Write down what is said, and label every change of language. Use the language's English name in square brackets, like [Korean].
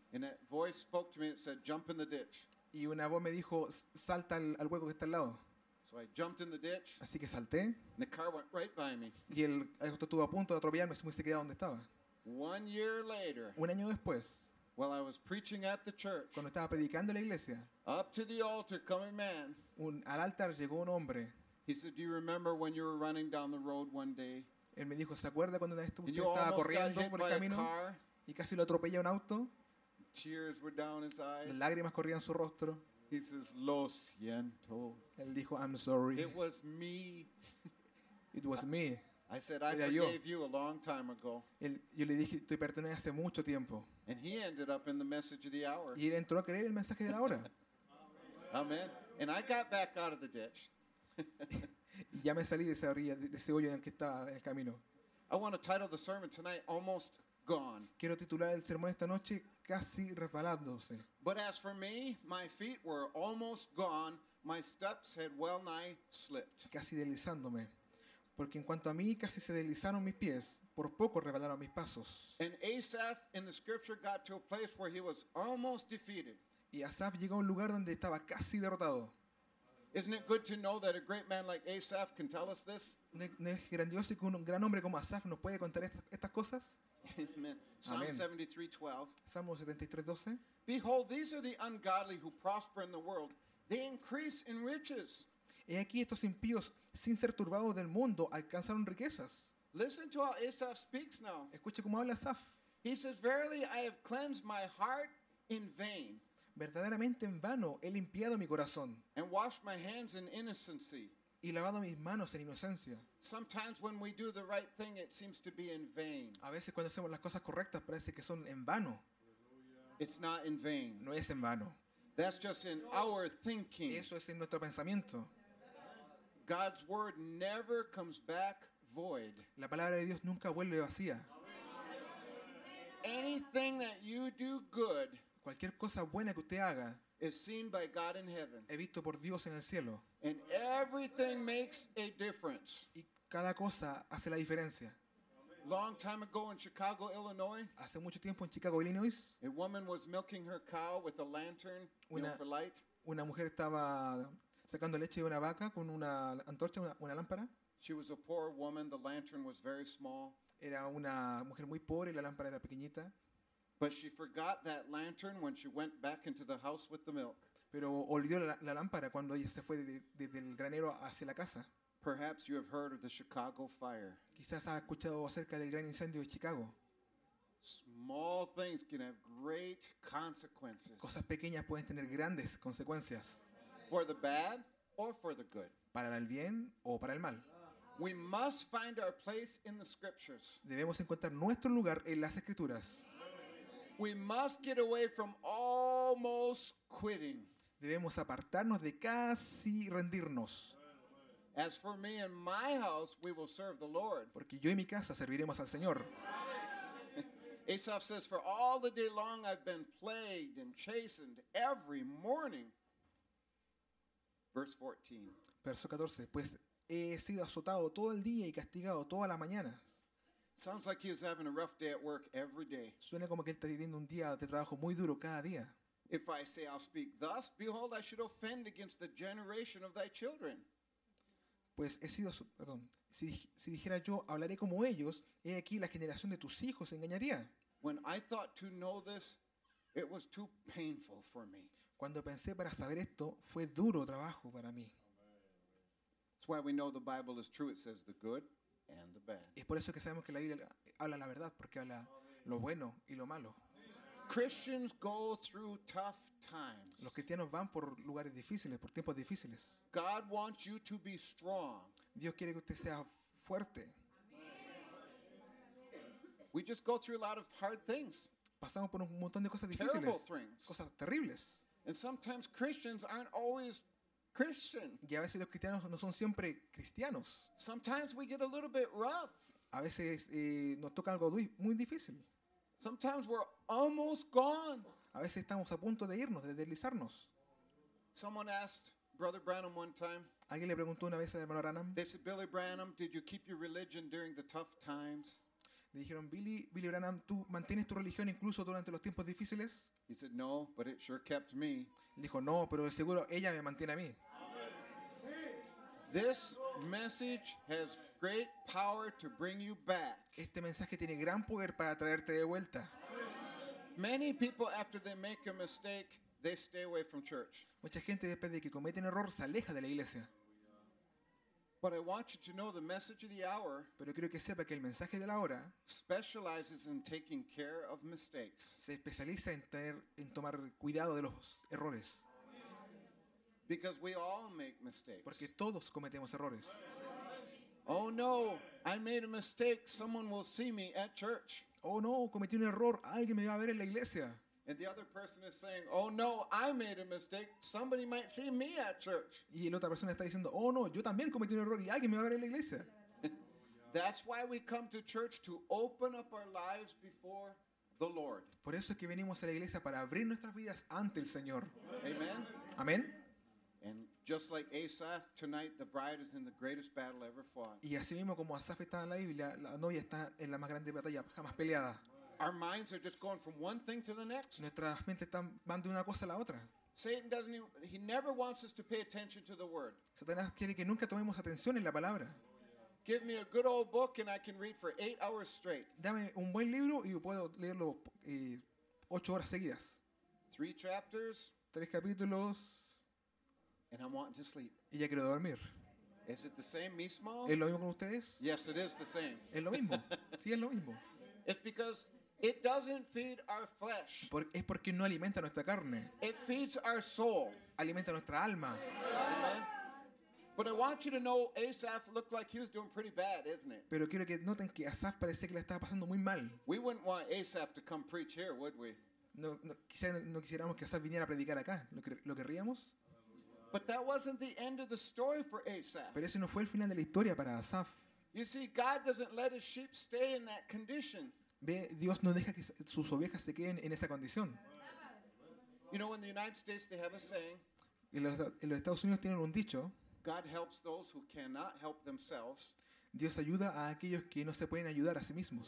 [English] And a voice spoke to me and said, jump in the ditch. [Spanish] Y una voz me dijo, salta al hueco que está al lado. [English] So I jumped in the ditch. [Spanish] Así que salté. [English] And the car went right by me. [Spanish] Y el auto estuvo a punto de atropellarme, así que se quedó donde estaba. [English] One year later. [Spanish] Un año después. [English] While I was preaching at the church. [Spanish] Cuando estaba predicando en la iglesia. [English] Up to the altar coming man. [Spanish] Al altar llegó un hombre. [English] He said, do you remember when you were running down the road one day? [Spanish] Él me dijo, ¿se acuerda cuando usted estaba corriendo por el camino y casi lo atropella un auto? [English] Tears were down his eyes. [Spanish] Las lágrimas corrían su rostro. [English] He says, [Spanish] lo siento. Él dijo, [English] I'm sorry. It was me. It was me. I said, I forgave you a long time ago. [Spanish] Yo le dije, te perdoné hace mucho tiempo. [English] And he ended up in the message of the hour. [Spanish] Y él entró a creer el mensaje de la hora. [English] Amen. And I got back out of the ditch. [Spanish] Y ya me salí de esa orilla, de ese hoyo en el que estaba en el camino. [English] I want to title the sermon tonight, Almost Gone. [Spanish] Quiero titular el sermón esta noche, Casi Resbalándose. [English] But as for me, my feet were almost gone, my steps had well nigh slipped. [Spanish] Casi deslizándome. Porque en cuanto a mí, casi se deslizaron mis pies, por poco resbalaron mis pasos. [English] And Asaph in the scripture got to a place where he was almost defeated. [Spanish] Y Asaph llegó a un lugar donde estaba casi derrotado. [English] Isn't it good to know that a great man like Asaph can tell us this? [Spanish] ¿No es grandioso que un gran hombre como Asaph nos puede contar estas cosas? [English] Amen. Psalm 73:12. Behold, these are the ungodly who prosper in the world. They increase in riches. [Spanish] Y aquí estos impíos, sin ser turbados del mundo, alcanzaron riquezas. [English] Listen to how Asaph speaks now. [Spanish] Escuche cómo habla Asaph. [English] He says, verily I have cleansed my heart in vain. [Spanish] Verdaderamente en vano he limpiado mi corazón. [English] And washed my hands in innocency. [Spanish] Y lavado mis manos en inocencia. [English] Sometimes when we do the right thing, it seems to be in vain. [Spanish] A veces cuando hacemos las cosas correctas parece que son en vano. [English] It's not in vain. [Spanish] No es en vano. [English] That's just in our thinking. [Spanish] Eso es en nuestro pensamiento. [English] God's word never comes back void. [Spanish] La palabra de Dios nunca vuelve vacía. [English] Anything that you do good. [Spanish] Cualquier cosa buena que usted haga [English] is seen by God in heaven. [Spanish] Es visto por Dios en el cielo. [English] And everything makes a difference. [Spanish] Y cada cosa hace la diferencia. [English] Long time ago in Chicago, Illinois, [Spanish] hace mucho tiempo en Chicago, Illinois, [English] a woman was milking her cow with a lantern, for light. [Spanish] Una mujer estaba sacando leche de una vaca con una antorcha, una lámpara. [English] She was a poor woman, the lantern was very small. [Spanish] Era una mujer muy pobre y la lámpara era pequeñita. [English] But she forgot that lantern when she went back into the house with the milk. [Spanish] Pero olvidó la lámpara cuando ella se fue del granero hacia la casa. [English] Perhaps you have heard of the Chicago fire. [Spanish] Quizás ha escuchado acerca del gran incendio de Chicago. [English] Small things can have great consequences. [Spanish] Cosas pequeñas pueden tener grandes consecuencias. [English] For the bad or for the good. [Spanish] Para el bien o para el mal. [English] We must find our place in the scriptures. [Spanish] Debemos encontrar nuestro lugar en las escrituras. [English] We must get away from almost quitting. [Spanish] Debemos apartarnos de casi rendirnos. [English] As for me and my house, we will serve the Lord. [Spanish] Porque yo y mi casa serviremos al Señor. [English] Asaph says, for all the day long I've been plagued and chastened every morning. Verse 14. [Spanish] Verso 14. Pues he sido azotado todo el día y castigado toda la mañana. [English] Sounds like he was having a rough day at work every day. [Spanish] Suena como que él está teniendo un día de trabajo muy duro cada día. [English] If I say I'll speak thus, behold, I should offend against the generation of thy children. [Spanish] Pues he sido, perdón, si dijera yo, hablaré como ellos, he aquí la generación de tus hijos se engañaría. [English] When I thought to know this, it was too painful for me. [Spanish] Cuando pensé para saber esto, fue duro trabajo para mí. [English] That's why we know the Bible is true. It says the good and the bad. [Spanish] Es por eso que sabemos que la Biblia habla la verdad, porque habla lo bueno y lo malo. [English] Christians go through tough times. [Spanish] Los cristianos van por lugares difíciles, por tiempos difíciles. [English] God wants you to be strong. [Spanish] Dios quiere que usted sea fuerte. [English] Amen. We just go through a lot of hard things. [Spanish] Pasamos por un montón de cosas [English] terrible [Spanish] difíciles. [English] Things. [Spanish] Cosas terribles. [English] And sometimes Christians aren't always Christian. [Spanish] Y a veces los cristianos no son siempre cristianos. [English] Sometimes we get a little bit rough. [Spanish] A veces nos toca algo muy difícil. [English] Sometimes we're almost gone. [Spanish] A veces estamos a punto de irnos, de deslizarnos. [English] Someone asked Brother Branham one time. [Spanish] Alguien le preguntó una vez a Hermano Branham. [English] They said, Billy Branham, did you keep your religion during the tough times? [Spanish] Le dijeron, Billy Branham, ¿tú mantienes tu religión incluso durante los tiempos difíciles? [English] He said, no, but it sure kept me. [Spanish] Dijo, no, pero seguro ella me mantiene a mí. [English] This message has great power to bring you back. [Spanish] Este mensaje tiene gran poder para traerte de vuelta. [English] Many people, after they make a mistake, they stay away from church. [Spanish] Mucha gente después de que cometen error se aleja de la iglesia. [English] But I want you to know the message of the hour. [Spanish] Pero quiero que sepa que el mensaje de la hora [English] specializes in taking care of mistakes. [Spanish] Se especializa en tomar cuidado de los errores. [English] Because we all make mistakes. [Spanish] Porque todos cometemos errores. [English] Oh no, I made a mistake. Someone will see me at church. [Spanish] Oh no, cometí un error. Alguien me va a ver en la iglesia. [English] And the other person is saying, oh no, I made a mistake. Somebody might see me at church. [Spanish] Y la otra persona está diciendo, oh no, yo también cometí un error y alguien me va a ver en la iglesia. [English] That's why we come to church, to open up our lives before the Lord. [Spanish] Por eso es que venimos a la iglesia, para abrir nuestras vidas ante el Señor. [English] Amen. [Spanish] Amen. [English] And just like Asaph, tonight the bride is in the greatest battle ever fought. [Spanish] Y así mismo como Asaf está en la Biblia, la novia está en la más grande batalla jamás peleada. [English] Our minds are just going from one thing to the next. [Spanish] Nuestras mentes están van de una cosa a la otra. [English] Satan doesn't he never wants us to pay attention to the word. [Spanish] Satanás quiere que nunca tomemos atención en la palabra. [English] Give me a good old book and I can read for 8 hours straight. [Spanish] Dame un buen libro y puedo leerlo 8 horas seguidas. [English] 3 chapters. [Spanish] 3 capítulos. [English] And I'm wanting to sleep. [Spanish] Y ya quiero dormir. [English] Is it the same mismo? [Spanish] ¿Es lo mismo con ustedes? [English] Yes, it is the same. [Spanish] Es lo mismo. Sí, es lo mismo. [English] It's because it doesn't feed our flesh. [Spanish] Es porque no alimenta nuestra carne. [English] It feeds our soul. [Spanish] Alimenta nuestra alma. [English] Amen. But I want you to know Asaph looked like he was doing pretty bad, isn't it? [Spanish] Pero quiero que noten que Asaph parece que le estaba pasando muy mal. [English] We wouldn't want Asaph to come preach here, would we? [Spanish] No quisiéramos que Asaph viniera a predicar acá. ¿Lo querríamos? [English] But that wasn't the end of the story for Asaph. [Spanish] Pero ese no fue el final de la historia para Asaph. [English] You see, God doesn't let his sheep stay in that condition. [Spanish] Ve, Dios no deja que sus ovejas se queden en esa condición. [English] You know, in the United States they have a saying. [Spanish] En los Estados Unidos tienen un dicho. [English] God helps those who cannot help themselves. [Spanish] Dios ayuda a aquellos que no se pueden ayudar a sí mismos.